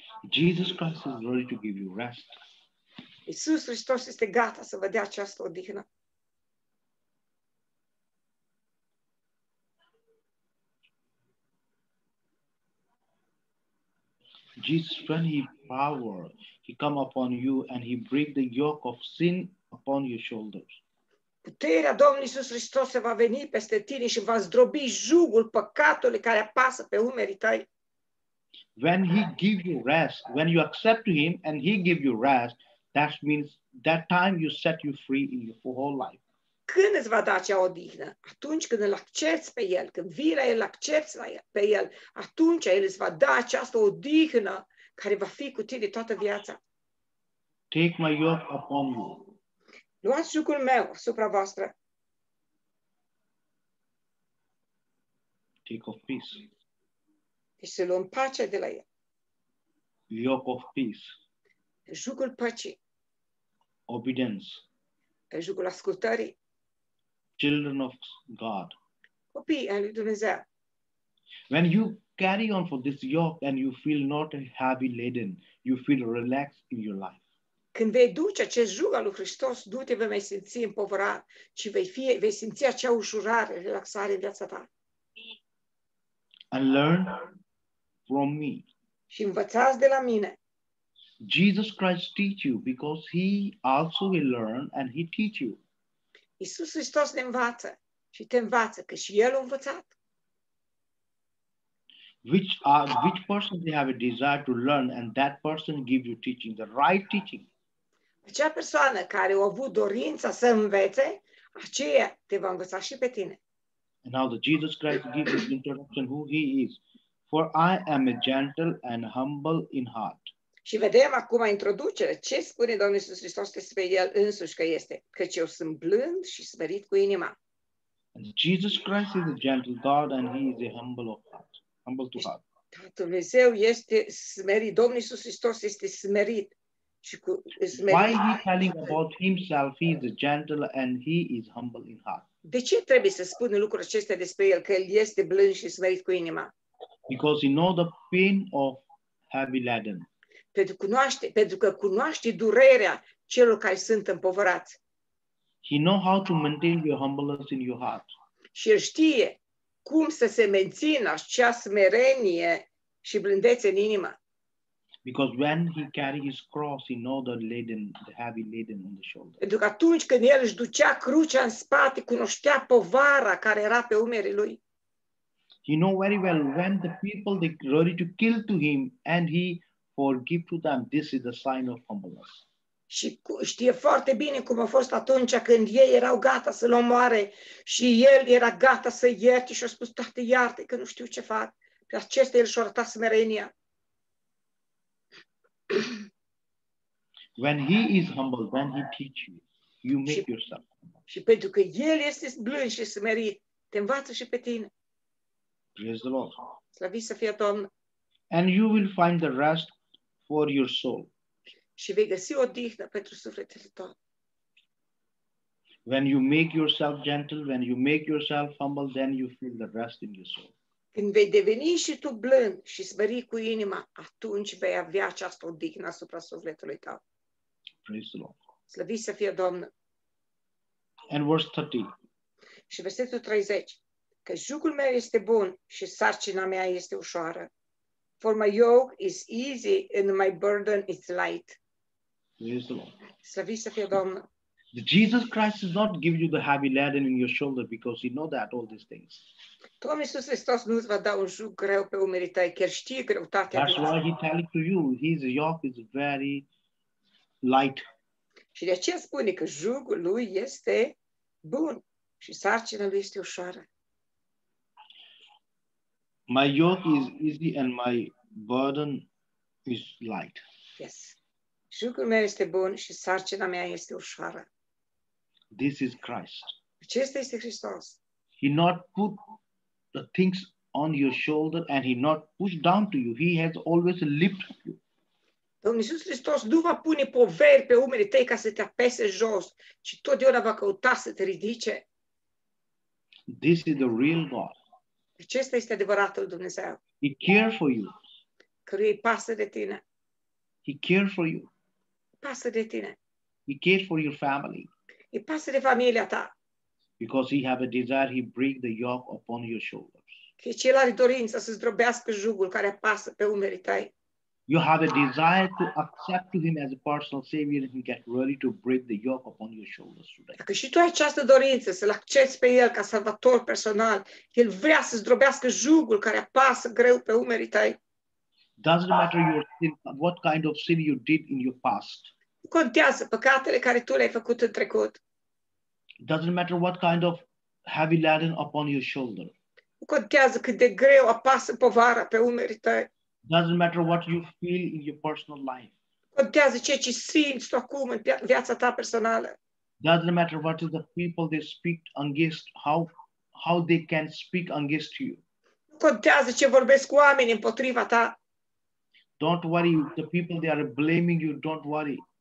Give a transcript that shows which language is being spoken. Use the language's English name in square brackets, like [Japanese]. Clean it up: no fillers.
[English] Jesus Christ is ready to give you rest. [Romanian] Iisus Hristos este gata să vă dea această odihnă. [English] Jesus, when he power, he come upon you and he break the yoke of sin upon your shoulders. [Romanian] Puterea Domnului Iisus Hristos se va veni peste tine și va zdrobi jugul păcatului care apasă pe umerii tăi. [English] When he give you rest, when you accept him and he give you rest, that means that time you set you free in your whole life. [Romanian] Când îți va da acea odihnă? Atunci când îl accepți pe el, când vii la el, îl accepți pe el, atunci el îți va da această odihnă care va fi cu tine toată viața. [English] Take my yoke upon you. [Romanian] Luați jugul meu asupra voastră. [English] Take of peace. [Romanian] Și să luăm pace de la el. [English] Yoke of peace. [Romanian] jugul păcii. [English] Obedience. [Romanian] E jugul ascultării. [English] Children of God. [Romanian] Copii ai lui Dumnezeu. [English] When you carry on for this yoke and you feel not heavy laden, you feel relaxed in your life. [Romanian] Când vei duce acest jug al lui Hristos, du-te, vei mai simți împovărat, ci vei simți acea ușurare, relaxare în viața ta. [English] And learn from me. [Romanian] Și învățați de la mine. [English] Jesus Christ teach you because he also will learn and he teach you. [Romanian] Iisus Hristos ne învață și te învață că și el a învățat. [English] Which person they have a desire to learn and that person give you teaching, the right teaching. [Romanian] Acea persoană care a avut dorința să învețe, aceea te va învăța și pe tine. [English] And now the Jesus Christ gives his introduction who he is. For I am a gentle and humble in heart. [Romanian] Și vedem acum introducerea. Ce spune Domnul Iisus Hristos despre el însuși că este? Căci eu sunt blând și smerit cu inima. [English] And Jesus Christ is a gentle God and he is a humble of heart. Humble to heart. [Romanian] Dumnezeu este smerit. Domnul Iisus Hristos este smerit. [English] Why he telling about himself he is gentle and he is humble in heart? [Romanian] De ce trebuie să spună lucrul acesta despre el, că el este blând și smerit cu inima? [English] Because he know the pain of heavy laden. [Romanian] Pentru că cunoaște durerea celor care sunt împovărați. [English] He know how to maintain your humbleness in your heart. [Romanian] Și el știe cum să se mențină acea smerenie și blândețe în inimă. [English] Because when he carry his cross, he know the heavy laden on the shoulder. [Romanian] Pentru că atunci când el își ducea crucea în spate, cunoștea povara care era pe umerii lui. [English] He know very well when the people they ready to kill to him and he forgive to them. This is the sign of humbleness. [Romanian] Și știe foarte bine cum a fost atunci când ei erau gata să-l omoare și el era gata să ierte și a spus, Tată, iarte că nu știu ce fac. Pe acestea el și-a arătat smerenia. [English] When he is humble, when he teaches you, you make yourself humble. [Romanian] Și pentru că el este blând și smerit, te învață și pe tine. [English] Praise the Lord. [Romanian] Slăviți să fie Domnul. [English] And you will find the rest for your soul. [Romanian] Și vei găsi odihnă pentru sufletele tău. [English] When you make yourself gentle, when you make yourself humble, then you feel the rest in your soul. [Romanian] Când vei deveni și tu blând și smerit cu inima, atunci vei avea această odihnă asupra sufletului tău. [English] Praise the Lord. [Romanian] Slăviți să fie Domnul. [English] And verse 30. [Romanian] Și versetul 30. Că jugul meu este bun și sarcina mea este ușoară. [English] For my yoke is easy and my burden is light. Praise the Lord. [Romanian] Slăviți să fie Domnul. [English] Jesus Christ does not give you the heavy laden in your shoulder because he knows that all these things. [Romanian] Domnul Iisus Hristos nu îți va da un jug greu pe umerii tăi, chiar știe greutatea. [English] That's why he tells it to you, his yoke is very light. [Romanian] Și de aceea spune că jugul lui este bun și sarcina lui este ușoară. [English] My yoke is easy and my burden is light. Yes. [Romanian] Jugul meu este bun și sarcina mea este ușoară. [English] This is Christ. [Romanian] Acesta este Hristos. [English] He not put the things on your shoulder and he not push down to you. He has always lifted you. [Romanian] Domnul Iisus Hristos nu va pune poveri pe umerii tăi ca să te apese jos, ci totdeauna va căuta să te ridice. [English] This is the real God. [Romanian] Acesta este adevăratul Dumnezeu. [English] He care for you. [Romanian] Căruia îi pasă de tine. [English] He care for you. [Romanian] Pasă de tine. [English] He care for your family. [Romanian] E pasă de familia ta. [English] Because he have a desire, he break the yoke upon your shoulders. [Romanian] Că și el are dorința să zdrobească jugul care pasă pe umerii tăi. [English] You have a desire to accept him as a personal savior and get ready to break the yoke upon your shoulders today. [Romanian] Dacă și tu ai această dorință să-l accepți pe el ca salvator personal, el vrea să zdrobească jugul care pasă greu pe umerii tăi. [English] Doesn't matter your sin, what kind of sin you did in your past. [Romanian] Nu contează păcatele care tu le-ai făcut în trecut. [English] Doesn't matter what kind of heavy laden upon your shoulder. [Romanian] Nu contează cât de greu apasă povara pe umerii tăi. [English] Doesn't matter what you feel in your personal life. [Romanian] Nu contează ceea ce simți tu acum în viața ta personală. [English] Doesn't matter what the people they speak against, how they can speak against you. [Romanian] Nu contează ce vorbesc cu oamenii împotriva ta. [English] Don't worry, the people they are blaming you, don't worry.